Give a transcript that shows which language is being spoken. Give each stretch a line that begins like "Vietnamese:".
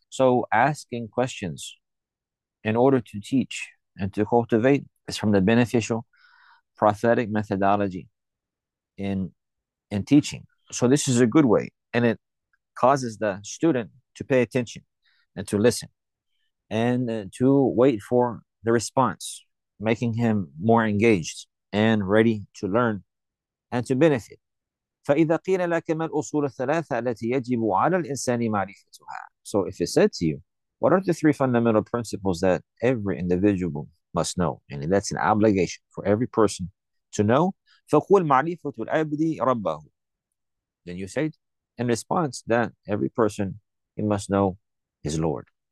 English: So asking questions in order to teach and to cultivate is from the beneficial prophetic methodology in teaching. So this is a good way, and it causes the student to pay attention and to listen and to wait for the response, making him more engaged and ready to learn and to benefit.
Arabic: فَإِذَا قِيلَ لَكَ مَا الْأُصُولُ الثَّلَاثَةَ التي يجب على الإنسان معرفتها.
English: So if it said to you, what are the three fundamental principles that every individual must know? And that's an obligation for every person to know.
Arabic: فَقُلْ مَعْرِفَةُ الْعَبْدِ رَبَّهُ.
English: Then you say in response that every person, he must know his Lord.